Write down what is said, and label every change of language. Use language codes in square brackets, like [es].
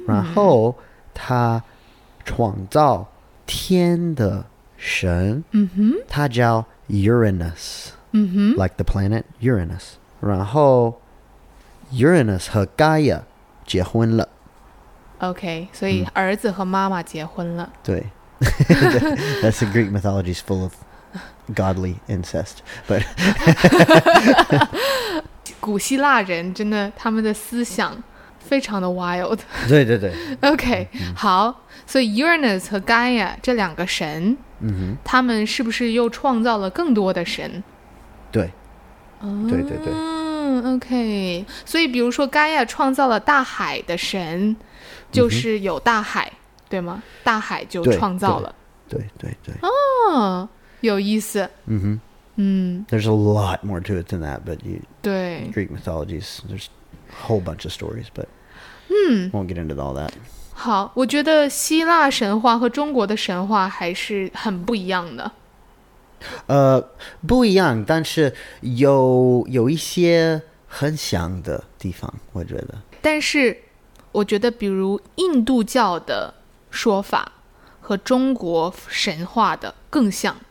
[zh] 然后它创造天的神，嗯哼，它叫 Uranus，嗯哼， [en] like the planet Uranus， [zh] 然后 Uranus 和 Gaia 结婚了。 OK， 所以儿子和妈妈结婚了。嗯、 [en] 对，That's the Greek mythology is full of godly incest. But [zh] 古希腊人真的，他们的思想非常的 wild。对对对。 OK，、嗯、好，所以 Uranus 和 Gaia 这两个神，嗯哼，他们是不是又创造了更多的神？对，嗯、对对对。 OK， 所以比如说 Gaia 创造了大海的神。就是有大海、嗯、对吗大海就创造了对对 对, 对哦有意思嗯哼嗯 [en] There's a lot more to it than that but you [zh] 对 [en] Greek mythologies There's a whole bunch of stories but 嗯 Won't get into all that [zh] 好我觉得希腊神话和中国的神话还是很不一样的不一样但是有一些很像的地方我觉得但是我觉得比如印度教的说法和中国神话的更像